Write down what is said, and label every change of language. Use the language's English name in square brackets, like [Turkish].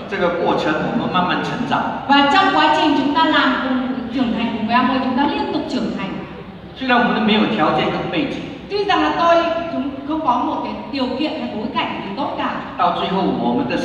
[Chinese] 这个过程我们慢慢成长。 [Vietnamese] Và trong quá trình chúng ta làm trưởng thành cùng với Amway, chúng ta liên tục trưởng thành. [Chinese] 虽然我们没有条件跟背景。 [Vietnamese] Tuy rằng là tôi chúng không có một cái điều kiện hay bối cảnh thì tốt cả.